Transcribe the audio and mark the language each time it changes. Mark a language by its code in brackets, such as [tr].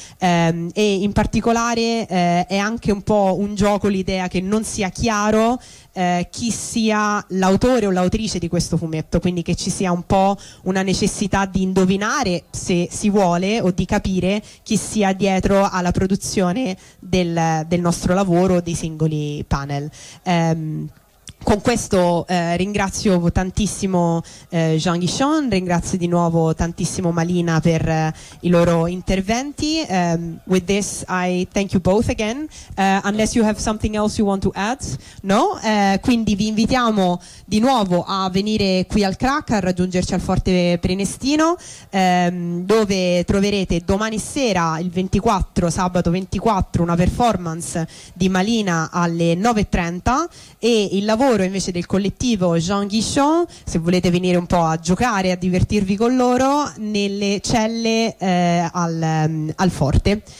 [it] E in particolare è anche un po' un gioco l'idea che non sia chiaro chi sia l'autore o l'autrice di questo fumetto, quindi che ci sia un po' una necessità di indovinare, se si vuole, o di capire chi sia dietro alla produzione del nostro lavoro, dei singoli panel. Con questo ringrazio tantissimo Jean Guichon, ringrazio di nuovo tantissimo Malina per i loro interventi. [en] With this I thank you both again, unless you have something else you want to add. No? [it] Quindi vi invitiamo di nuovo a venire qui al Crack, a raggiungerci al Forte Prenestino, dove troverete domani sera, il 24, sabato 24, una performance di Malina alle 9:30, e il lavoro invece del collettivo Jean Guichon, se volete venire un po' a giocare, a divertirvi con loro, nelle celle al Forte.